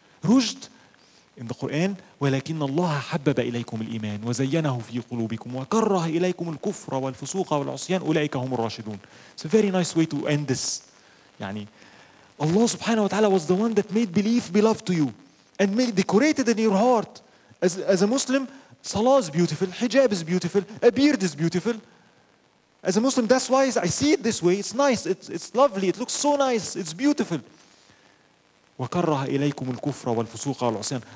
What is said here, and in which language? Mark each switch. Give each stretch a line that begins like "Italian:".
Arabic: Rushd
English: in the Quran,
Arabic: ولكن الله حبب إليكم الإيمان وزينه في قلوبكم وكره إليكم الكفر والفسوق والعصيان أولئك هم الراشدون.
English: It's a very nice way to end this. يعني Allah subhanahu wa ta'ala was the one that made belief beloved to you and made decorated in your heart. As a Muslim, salah is beautiful, hijab is beautiful, a beard is beautiful. As a Muslim, that's why I see it this way. It's nice, it's lovely, it looks so nice, it's beautiful.
Arabic: وكره إليكم الكفر والفسوق والعصيان.